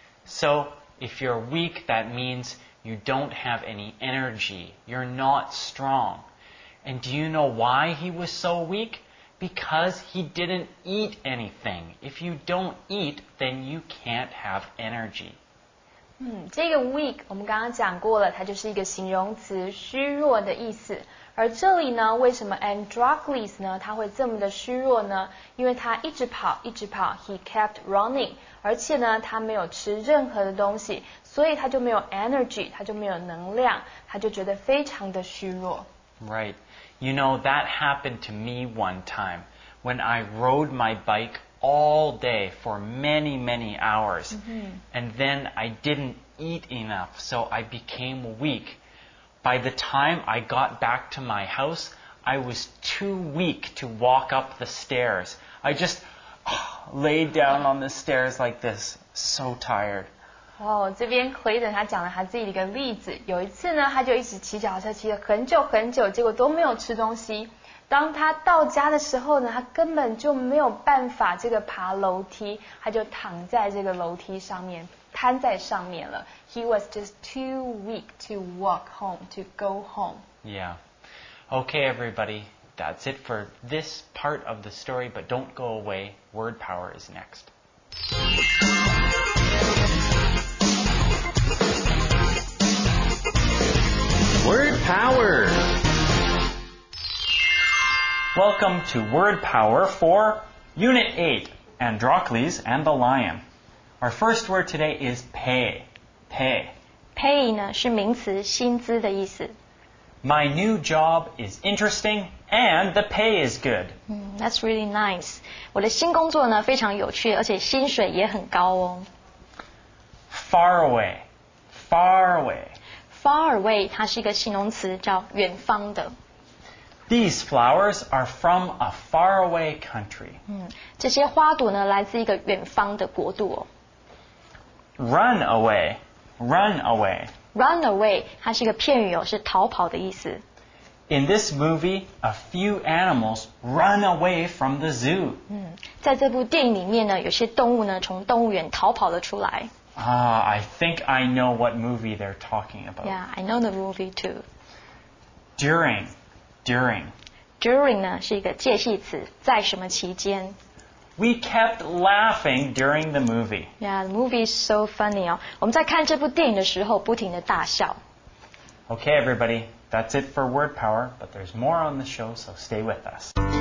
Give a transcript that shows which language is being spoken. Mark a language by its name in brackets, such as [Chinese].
[English] So, if you're weak, that means you don't have any energy. You're not strong. And do you know why he was so weak? Because he didn't eat anything. If you don't eat, then you can't have energy. [Chinese] 这个 weak, 我们刚刚讲过了，它就是一个形容词，虚弱的意思。而这里呢为什么 Androcles 呢他会这么的虚弱呢因为他一直跑一直跑 [English] He kept running [Chinese] 而且呢他没有吃任何的东西所以他就没有 energy 他就没有能量他就觉得非常的虚弱 [English] Right You know that happened to me one time when I rode my bike all day for many, many hours, mm-hmm. and then I didn't eat enough, so I became weak. By the time I got back to my house, I was too weak to walk up the stairs. I just laid down on the stairs like this, so tired. [Chinese] 哦，这边 Clayton 他讲了他自己的一个例子。有一次呢，他就一直骑脚踏车，骑了很久很久，结果都没有吃东西。当他到家的时候呢，他根本就没有办法这个爬楼梯，他就躺在这个楼梯上面，瘫在上面了。 [English] He was just too weak to walk home, to go home. Yeah. Okay, everybody. That's it for this part of the story, but don't go away. Word Power is next. Word Power. Welcome to Word Power for Unit 8, Androcles and the Lion. Our first word today is pay. Pay. [Chinese] Pay 呢是名词，薪资的意思。 [English] My new job is interesting and the pay is good. That's really nice. [Chinese] 我的新工作呢非常有趣，而且薪水也很高哦。 [English] Far away. Far away. [Chinese] Far away, 它是一个形容词，叫远方的。 [English] These flowers are from a faraway country. [Chinese] 这些花朵呢，来自一个远方的国度。 [English] Run away, run away. [Chinese] Run away, 它是一个片语哦，是逃跑的意思。 [English] In this movie, a few animals run away from the zoo. [Chinese] 在这部电影里面呢，有些动物呢，从动物园逃跑了出来。 [English] Ah, I think I know what movie they're talking about. Yeah, I know the movie too. During, during. [Chinese] During 呢是一个介系词，在什么期间。 [English] We kept laughing during the movie. Yeah, the movie is so funny 哦。 [Chinese] 我们在看这部电影的时候不停地大笑。 Okay, everybody, that's it for Word Power, but there's more on the show, so stay with us.